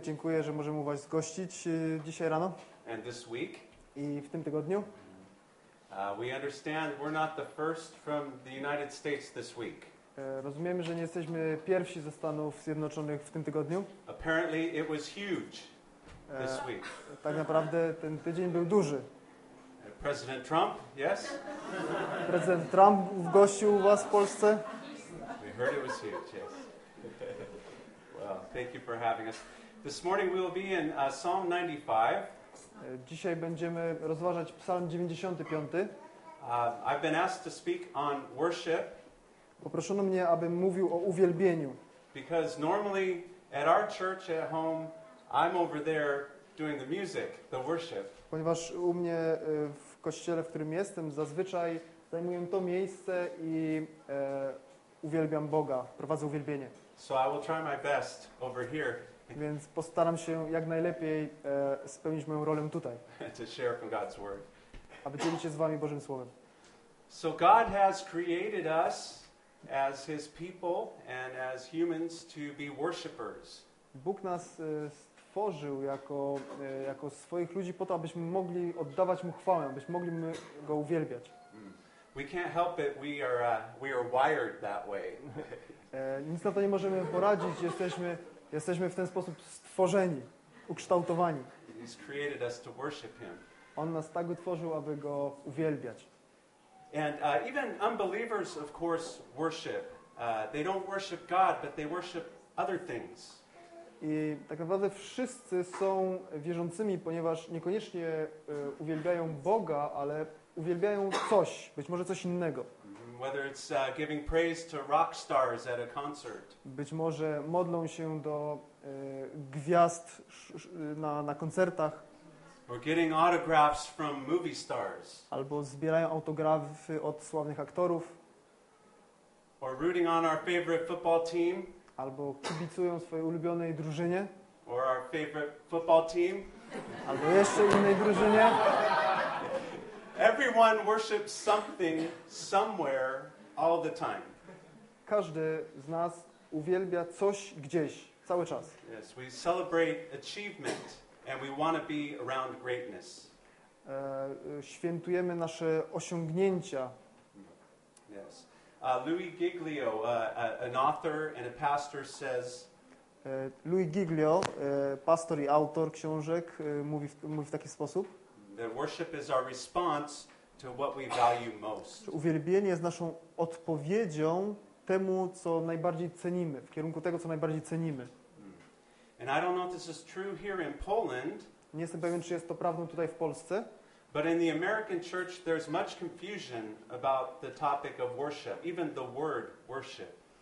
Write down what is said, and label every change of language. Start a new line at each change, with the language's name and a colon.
Polish: Dziękuję, że możemy was gościć dzisiaj rano.
English: And this week.
Polish: I w tym tygodniu.
English: We understand we're not the first from the United States this week.
Polish: Rozumiemy, że nie jesteśmy pierwsi ze Stanów Zjednoczonych w tym tygodniu.
English: Apparently it was huge this week.
Polish: Tak naprawdę ten tydzień był duży.
English: President Trump, yes?
Polish: Prezydent Trump gościł was w Polsce.
English: We heard it was huge, yes. Well, thank you for having us. This morning we will be in Psalm 95.
Polish: Dzisiaj będziemy rozważać Psalm 95.
English: I've been asked to speak on worship.
Polish: Poproszono mnie, abym mówił o uwielbieniu.
English: Because normally at our church at home, I'm over there doing the music, the worship.
Polish: Ponieważ u mnie w kościele, w którym jestem, zazwyczaj zajmuję to miejsce i uwielbiam Boga, prowadzę uwielbienie.
English: So I will try my best over here.
Polish: Więc postaram się jak najlepiej spełnić moją rolę tutaj.
English: To share from God's word.
Polish: Aby dzielić się z wami Bożym Słowem.
English: So God has created us as his people and as humans to be worshipers.
Polish: Bóg nas stworzył jako swoich ludzi po to, abyśmy mogli oddawać mu chwałę, abyśmy mogli go uwielbiać.
English: We can't help it, we are wired that way.
Polish: Nic na to nie możemy poradzić, jesteśmy w ten sposób stworzeni, ukształtowani.
English: He's created us to worship him.
Polish: On nas tak utworzył, aby go uwielbiać.
English: And even unbelievers, of course, worship. They don't worship God, but they worship other things.
Polish: I tak naprawdę wszyscy są wierzącymi, ponieważ niekoniecznie uwielbiają Boga, ale uwielbiają coś, być może coś innego.
English: Whether it's giving praise to rock stars at a concert.
Polish: Być może modlą się do gwiazd na koncertach.
English: Or getting autographs from movie stars.
Polish: Albo zbierają autografy od sławnych aktorów.
English: Or rooting on our favorite football team.
Polish: Albo kibicują swojej ulubionej drużynie.
English: Or our favorite football team.
Polish: Albo jeszcze innej drużynie.
English: Everyone worships something somewhere all the time.
Polish: Każdy z nas uwielbia coś gdzieś cały czas.
English: Yes, we celebrate achievement and we want to be around greatness.
Polish: Świętujemy nasze osiągnięcia.
English: Yes. Louis Giglio, an author and a pastor says
Polish: Louis Giglio, pastor i autor książek, mówi w taki sposób.
English: That worship is our response to what we value most.
Polish: Uwielbienie jest naszą odpowiedzią temu, co najbardziej cenimy, w kierunku tego, co najbardziej cenimy.
English: And I don't know if this is true here in Poland.
Polish: Nie jestem pewien, czy jest to prawdą tutaj w Polsce.
English: But in the American church there's much confusion about the topic of worship, even the word worship.